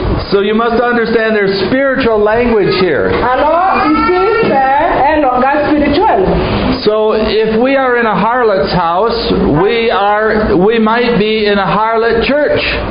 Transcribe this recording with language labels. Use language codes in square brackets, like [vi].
[en] So you must understand there's spiritual language here. [fr] Alors, ici, c'est un langage spirituel. [en] So if we are in a harlot's house, we might be in a harlot church.